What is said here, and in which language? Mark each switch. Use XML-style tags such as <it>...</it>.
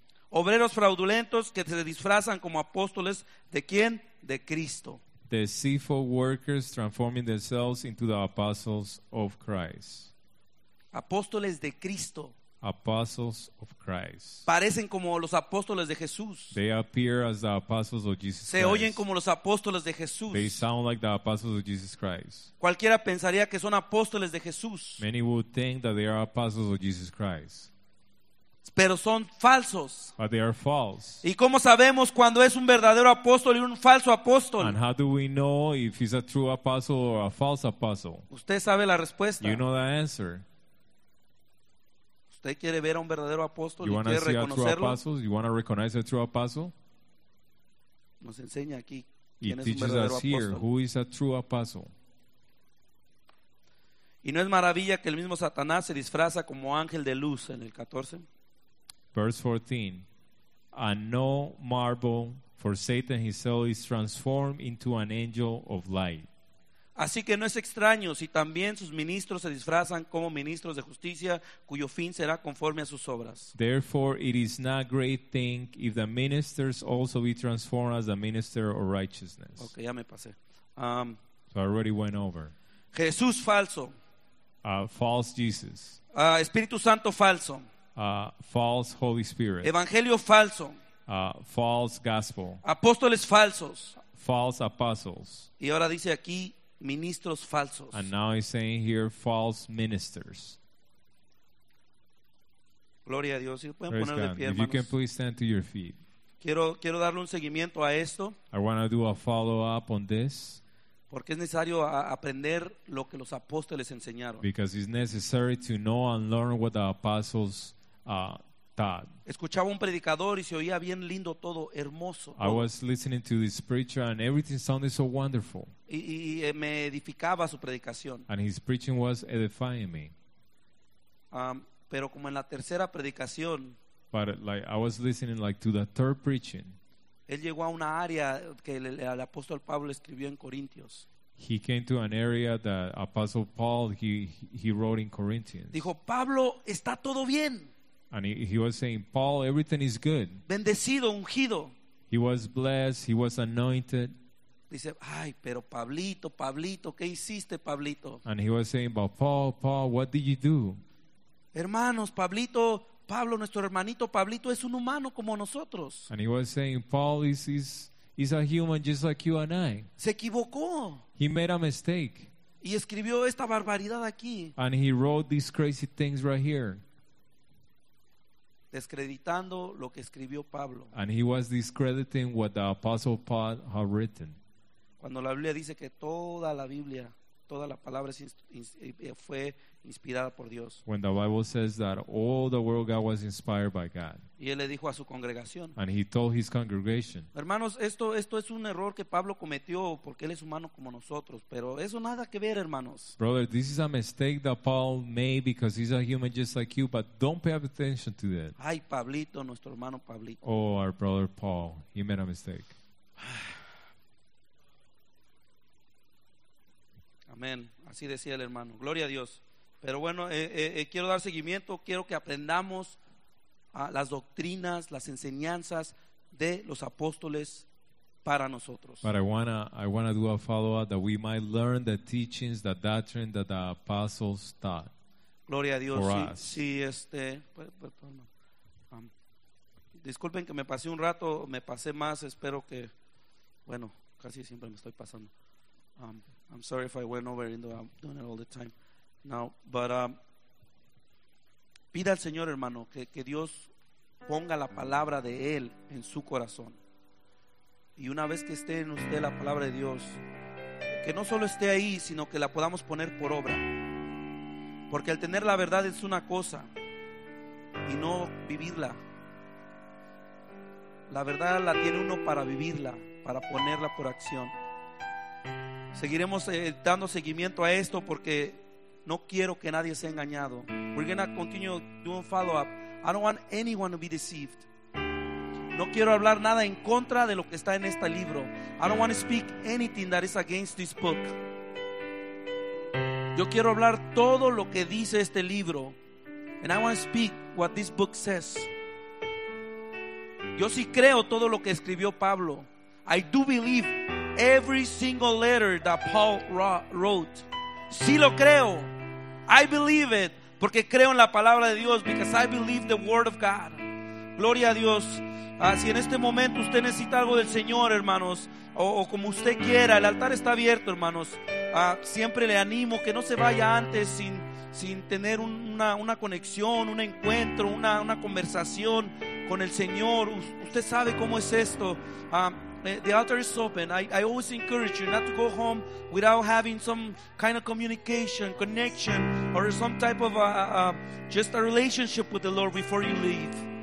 <es>Obreros fraudulentos que se disfrazan como apóstoles. ¿De quién? De Cristo.</es> <en>deceitful workers transforming themselves into the apostles of Christ.</en> <es>Apóstoles de Cristo.</es> <en>Apostles of Christ.</en> <es>Parecen como los apóstoles de Jesús.</es> <en>They appear as the apostles of Jesus</en> <es>Christ. Se oyen como los apóstoles de Jesús.</es> <en>They sound like the apostles of Jesus Christ.</en> <es>Cualquiera pensaría que son apóstoles de Jesús.</es> <en>Many would think that they are apostles of Jesus Christ.</en> <es>Pero son falsos.</es> <en>But they are false.</en> <es>¿Y cómo sabemos cuando es un verdadero apóstol y un falso apóstol?</es> <en>And how do we know if he's a true apostle or a false apostle?</en> <es>Usted sabe la respuesta.</es> <en>You know the answer.</en> <es>¿Usted quiere ver a un verdadero apóstol y quiere reconocerlo?</es> <en>You want to recognize a true apostle?</en> <es>Nos enseña aquí quién es un verdadero apóstol.</es> <en>He teaches us here who is a true apostle.</en> <es>Y no es maravilla que el mismo Satanás se disfraza como ángel de luz en el 14.</es> <en>Verse 14, and no marvel, for Satan himself is transformed into an angel of light.</en> <es>Así que no es extraño si también sus ministros se disfrazan como ministros de justicia, cuyo fin será conforme a sus obras.</es> <en>Therefore, it is not great thing if the ministers also be transformed as a minister of righteousness.</en> <es>Okay, ya me pasé.</es> <en>So I already went over.</en> <es>Jesús falso.</es> <en>False Jesus.</en> <es>Espíritu Santo falso.</es> <en>False Holy Spirit.</en> <es>Evangelio falso.</es> <en>False gospel.</en> <es>Apóstoles falsos.</es> <en>False apostles.</en> <es>Y ahora dice aquí ministros falsos.</es> <en>And now he's saying here false ministers.</en> <es>Gloria a Dios.</es> <en>Praise God. If you can please stand to your feet.</en> <es>Quiero darle un seguimiento a esto.</es> <en>I want to do a follow up on this.</en> <es>Porque es necesario aprender lo que los apóstoles enseñaron.</es> <en>Because it's necessary to know and learn what the apostles taught.</en> <es>Escuchaba un predicador y se oía bien lindo todo, hermoso.</es> <en>I was listening to this preacher and everything sounded so wonderful.</en> <es>Y me edificaba su predicación.</es> <en>And his preaching was edifying me.</en> <es>Pero como en la tercera predicación.</es> <en>But like I was listening like to the third preaching.</en> <es>Él llegó a una área que el apóstol Pablo escribió en Corintios.</es> <en>He came to an area that Apostle Paul he wrote in Corinthians.</en> <es>Dijo, Pablo, está todo bien.</es> <en>And he was saying, Paul, everything is good.</en> <es>Bendecido, ungido.</es> <en>He was blessed, he was anointed.</en> <es>Dice, ay, pero Pablito, Pablito, ¿qué hiciste, Pablito?</es> <en>And he was saying, but Paul, Paul, what did you do?</en> <es>Hermanos, Pablito, Pablo, nuestro hermanito Pablito es un humano como nosotros.</es> <en>And he was saying, Paul is a human just like you and I.</en> <es>Se equivocó.</es> <en>He made a mistake.</en> <es>Y escribió esta barbaridad aquí.</es> <en>And he wrote these crazy things right here.</en> <es>Descreditando lo que escribió Pablo.</es> <en>And he was discrediting what the Apostle Paul had written.</en> <es>Cuando la Biblia dice que toda la Biblia, toda la palabra fue inspirada por Dios.</es> <en>When the Bible says that all the word of God was inspired by God.</en> <es>Y él le dijo a su congregación.</es> <en>And he told his congregation.</en> <es>Hermanos, esto es un error que Pablo cometió porque él es humano como nosotros, pero eso nada que ver, hermanos.</es> <en>Brother, this is a mistake that Paul made because he's a human just like you, but don't pay attention to that.</en> <es>Ay, Pablito, nuestro hermano Pablito.</es> <en>Oh, our brother Paul, he made a mistake.</en> <es>Amén. Así decía el hermano. Gloria a Dios. Pero bueno, quiero dar seguimiento. Quiero que aprendamos las doctrinas, las enseñanzas de los apóstoles para nosotros.</es> <en>But I wanna do a follow-up that we might learn the teachings, the doctrine that the apostles taught.</en> <es>Gloria a Dios.</es> <en>For</en> <es>sí,</es> <en>us.</en> <es>Sí, perdón. Disculpen que me pasé un rato. Me pasé más. Espero que, bueno, casi siempre me estoy pasando.</es> <en>I'm sorry if I went over, though I'm doing it all the time now.</en> <es>But pida al Señor, hermano, que Dios ponga la palabra de Él en su corazón. Y una vez que esté en usted la palabra de Dios, que no solo esté ahí, sino que la podamos poner por obra. Porque el tener la verdad es una cosa, y no vivirla. La verdad la tiene uno para vivirla, para ponerla por acción. Seguiremos dando seguimiento a esto porque no quiero que nadie sea engañado.</es> <en>We're going to continue doing follow-up. I don't want anyone to be deceived.</en> <es>No quiero hablar nada en contra de lo que está en este libro.</es> <en>I don't want to speak anything that is against this book.</en> <es>Yo quiero hablar todo lo que dice este libro.</es> <en>And I want to speak what this book says.</en> <es>Yo sí creo todo lo que escribió Pablo.</es> <en>I do believe every single letter that Paul wrote.</en> <es>Sí lo creo.</es> <en>I believe it.</en> <es>Porque creo en la palabra de Dios.</es> <en>Because I believe the word of God.</en> <es>Gloria a Dios. Si en este momento usted necesita algo del Señor, hermanos, o como usted quiera, el altar está abierto, hermanos. Siempre le animo que no se vaya antes sin tener una conexión, un encuentro, una conversación con el Señor. Usted sabe cómo es esto.</es> <en>The altar is open. I always encourage you not to go home without having some kind of communication, connection, or some type of just a relationship with the Lord before you leave.</en>